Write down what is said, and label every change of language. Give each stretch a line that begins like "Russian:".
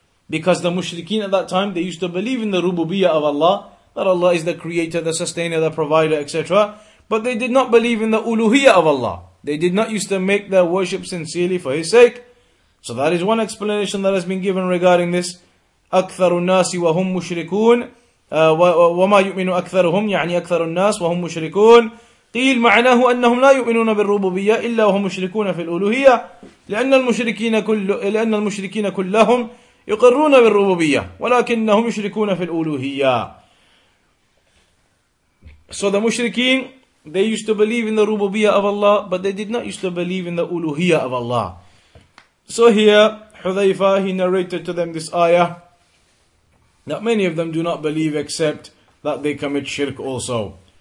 English: Because the mushrikeen at that time, they used to believe in the rububiyyah of Allah, that Allah is the creator, the sustainer, the provider, etc. But they did not believe in the uluhiyyah of Allah. They did not used to make their worship sincerely for His sake. So that is one explanation that has been given regarding this.
Arabic: أَكْثَرُ النَّاسِ وَهُمْ مُشْرِكُونَ وَمَا يُؤْمِنُ أَكْثَرُهُمْ يعني أَكْثَرُ النَّاسِ وَهُمْ مُشْرِكُونَ قيل معناه أنهم لا يؤمنون بالربوبية إلا وهم مشركون في الألوهية لأن المشركين كلهم يقرون بالربوبية ولكنهم مشركون في الألوهية.
English: So the mushrikeen, they used to believe in the rububiyyah of Allah, but they did not used to believe in the uluhiyyah of Allah. So here, Hudhayfa, he narrated to them this ayah, that many of them do not believe except that they commit shirk also.